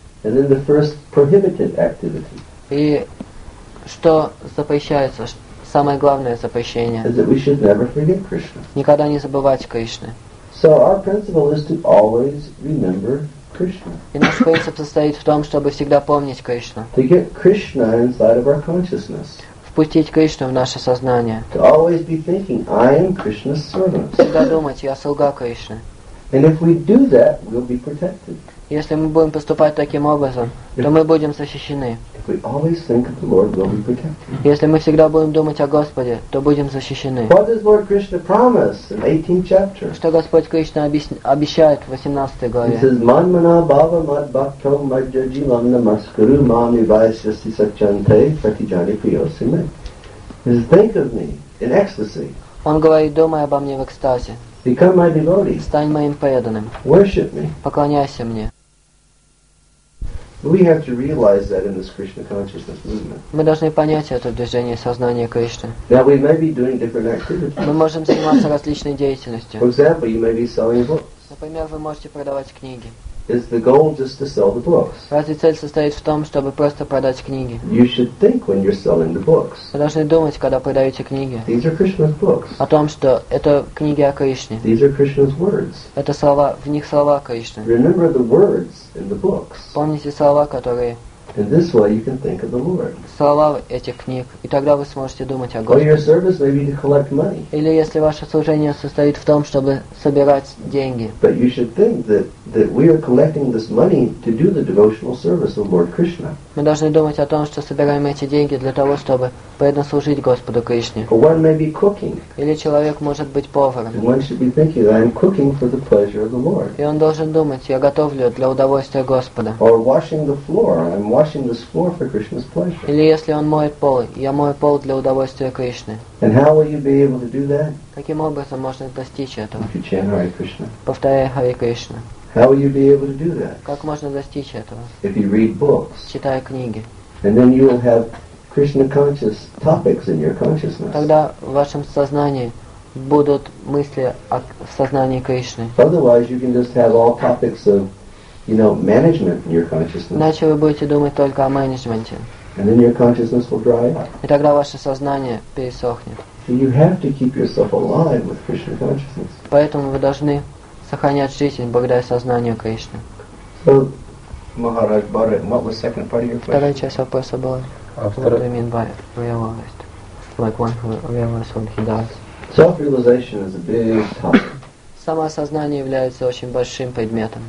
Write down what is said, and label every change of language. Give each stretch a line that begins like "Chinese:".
English: And then the first prohibited activity.
Russian: И что запрещается, самое главное запрещение.
English: Is that we should never forget Krishna.
Russian: Никогда не забывать Кришны.
English: So our principle is to always remember Krishna.
Russian: И наш принцип состоит в том, чтобы всегда помнить Кришну.
English: To get Krishna inside of our consciousness.
Russian: Впустить Кришну в наше сознание.
English: To always be thinking, I am Krishna's servant.
Russian: Всегда думать, я слуга Кришны.
English: And if we do that, we'll be protected.
Russian: Если мы будем поступать таким образом, то мы будем защищены.
English: If we always think of the Lord, we'll be protected.
Russian: Если мы всегда будем думать о Господе, то будем защищены.
English: What does Lord Krishna promise in 18th chapter?
Russian: Что Господь Кришна обещает в 18 главе?
English: He says,
Sanskrit: "Man mana bhava mad bhakto mad jaji mam namaskaru mami vaisyasi sachante prati jani priyosime."
English: He says, "Think of me in ecstasy."
Russian: Он говорит, думай обо мне в экстазе.
English: Become my devotee.
Russian: Стань моим преданным.
English: Worship me.
Russian: Поклоняйся мне.
English: We have to realize that in this Krishna consciousness movement.
Russian: Мы должны понять это в движении сознания Кришны.
English: That we may be doing different activities.
Russian: Мы можем заниматься различной деятельностью.
English: For example, you may be selling books.
Russian: Например, вы можете продавать книги.
English: Is the goal just to sell the books?
Russian: Разве цель состоит в том, чтобы просто продать книги?
English: You should think when you're selling the books.
Russian: Вы должны думать, когда продаете книги.
English: These are Krishna's books.
Russian: О том, что это книги о Кришне.
English: These are Krishna's words.
Russian: Это слова, в них слова Кришны.
English: Remember the words in the books.
Russian: Помните слова, которые.
English: In this way, you can think of the Lord.
Russian: Слова этих книг, и тогда вы сможете думать о Господе.
English: Or your service may be to collect money.
Russian: Или если ваше служение состоит в том, чтобы собирать деньги.
English: But you should think that we are collecting this money to do the devotional service of Lord Krishna.
Russian: Мы должны думать о том, что собираем эти деньги для того, чтобы преданно служить Господу Кришне.
English: Or one may be cooking.
Russian: Или человек может быть поваром.
English: And one should be thinking that I am cooking for the pleasure of the Lord.
Russian: И он должен думать, я готовлю для удовольствия Господа.
English: Or washing the floor, I'm washing this floor for Krishna's pleasure.
Russian: Или если он моет пол, я мою пол для удовольствия Кришны.
English: And how will you be able to do that?
Russian: Каким образом можно достичь этого?
English: If you chant Hare Krishna.
Russian: Повторяя Hare Krishna.
English: How will you be able to do that?
Russian: Как можно достичь этого?
English: If you read books.
Russian: Читая книги.
English: And then you will have Krishna conscious topics in your consciousness.
Russian: Тогда в вашем сознании будут мысли о сознании Кришны.
English: Otherwise, you can just have all topics of, you know, management in your consciousness.
Russian: Иначе вы будете думать только о менеджменте.
English: And then your consciousness will dry up.
Russian: И тогда ваше сознание пересохнет.
English: So you have to keep yourself alive with Krishna consciousness.
Russian: Поэтому вы должны сохранять жизнь благодаря сознанию Кришны.
English: So, Maharaj Bharat, what was the second part of your question?
Russian: Вторая часть вопроса была.
English: What do you mean by realized? Like one who realizes what he does. Self-realization is a big topic.
Russian: Самоосознание является очень большим предметом.